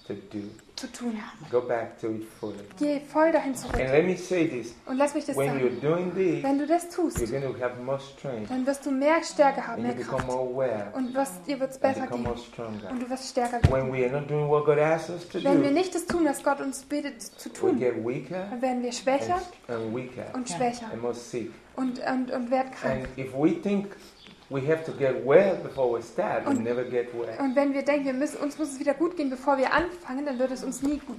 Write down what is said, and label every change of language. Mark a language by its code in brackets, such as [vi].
[en] To do. [de] Zu tun. [en] Go back to it fully. [de] Geh voll dahin zurück. [en] And let me say this. [de] Und lass mich das [en] when [de] sagen. [en] You're doing this, [de] wenn du das tust, [en] you're going to have more strength. [de] Dann wirst du mehr Stärke haben, [en] and [de] mehr Kraft. [en] Become more aware, [de] und wirst, dir wird's besser [en] become [de] gehen. [en] More stronger. [de] Und du wirst stärker werden. [en] When we are not doing what God asks us to [de] wenn [en] do, [de] wir nicht das tun, was Gott uns bittet zu tun, [en] we get weaker, [de] dann werden wir schwächer [en] and weaker, [de] und schwächer [en] and more sick. [de] Und werd krank. [en] And if we think we have to get well before we start. We never get well. [de] Und wenn wir denken, uns muss es wieder gut gehen, bevor wir anfangen, dann wird es uns nie gut